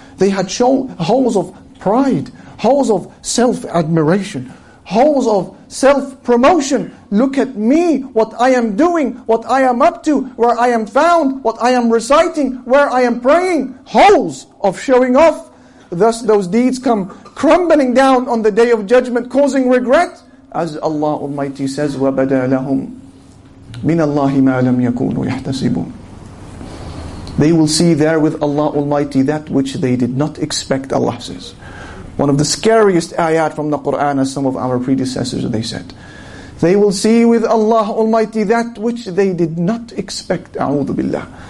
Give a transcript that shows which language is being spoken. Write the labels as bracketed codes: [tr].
[en] They had holes of pride, holes of self-admiration, holes of self-promotion. Look at me, what I am doing, what I am up to, where I am found, what I am reciting, where I am praying. Holes of showing off. Thus those deeds come crumbling down on the Day of Judgment, causing regret. As Allah Almighty says, [ar] وَبَدَى لَهُمْ مِنَ اللَّهِ مَا لَمْ يَكُونُوا يَحْتَسِبُونَ. [en] They will see there with Allah Almighty that which they did not expect, Allah says. One of the scariest ayat from the Qur'an, as some of our predecessors, they said. They will see with Allah Almighty that which they did not expect. A'udhu Billah.